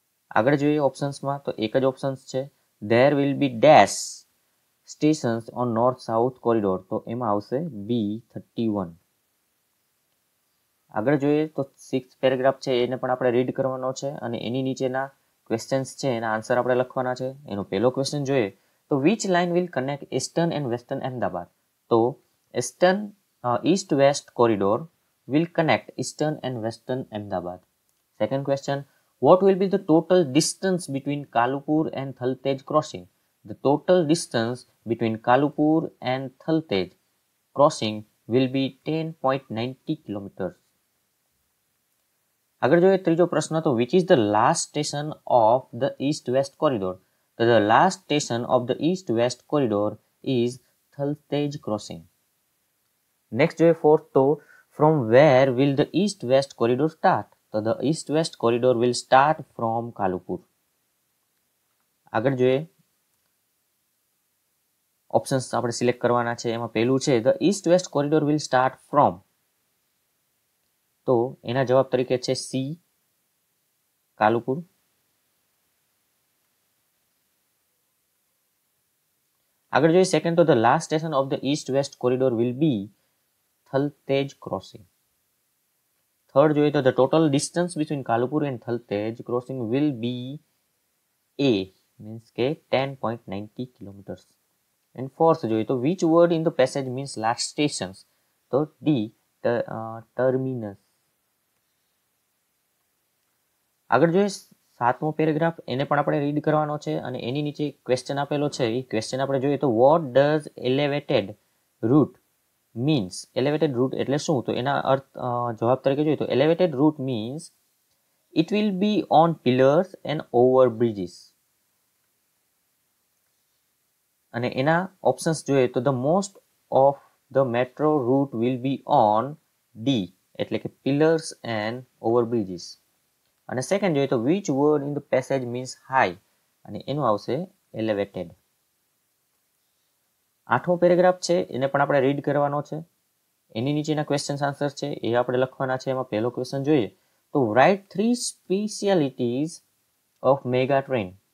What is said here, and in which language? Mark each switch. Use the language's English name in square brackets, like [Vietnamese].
[Gujarati] આગળ જોઈએ ઓપ્શન્સમાં, તો એક જ ઓપ્શન્સ છે, [English] there will be dash stations on north south corridor, [Gujarati] તો એમાં આવશે B 31. આગળ જોઈએ તો 6th પેરેગ્રાફ છે, એને પણ આપણે રીડ કરવાનો છે અને એની નીચેના ક્વેશ્ચન્સ છે એના આન્સર આપણે લખવાના છે. એનો પહેલો ક્વેશ્ચન જોઈએ તો [English] which line will connect eastern and western Ahmedabad? તો eastern east west corridor will connect eastern and western Ahmedabad. Second question, What will be the total distance between Kalupur and Thaltej crossing? The total distance between Kalupur and Thaltej crossing will be 10.90 kilometers. [Gujarati] Agar joye trijo prashna, to [English] which is the last station of the east west corridor? The last station of the east west corridor is Thaltej crossing. Next joye fourth, to from where will the east west corridor start? તો the east west corridor will start from Kalupur. [Gujarati] આગળ જોઈએ options આપણે select કરવાના છે, એમાં પહેલું છે [English] the east west corridor will start from, [Gujarati] તો એના જવાબ તરીકે છે સી કાલુપુર. આગળ જોઈએ સેકન્ડ, તો [English] The last station of the east west corridor will be Thaltej crossing. [Gujarati] Third જોઈએ તો [English] The total distance between Kalupur and Thaltej crossing will be a, means કે 10.90 kilometres. And [Gujarati] ફોર્થ જોઈએ તો [English] Which word in the passage means last stations? તો the terminus. [Gujarati] આગળ જોઈએ સાતમો paragraph, એને પણ આપણે રીડ કરવાનો છે અને એની નીચે ક્વેશ્ચન આપેલો છે. એ ક્વેશ્ચન આપણે જોઈએ તો [English] what does elevated route means, elevated route [Gujarati] એટલે શું? તો એના અર્થ જવાબ તરીકે જોઈએ તો [English] elevated route means it will be on pillars and over bridges. [Gujarati] અને એના ઓપ્શન્સ જોઈએ તો [English] the most of the metro route will be on D, [Gujarati] એટલે કે [English] pillars and over bridges. [Gujarati] અને સેકન્ડ જોઈએ તો [English] which word in the passage means high? [Gujarati] અને એનું આવશે elevated. આઠમો પેરેગ્રાફ છે, એને પણ આપણે રીડ કરવાનો છે. એની નીચેના ક્વેશ્ચન્સ આન્સર છે એ આપણે લખવાના છે. એમાં પહેલો ક્વેશ્ચન જોઈએ તો [English] Write three specialities of mega train.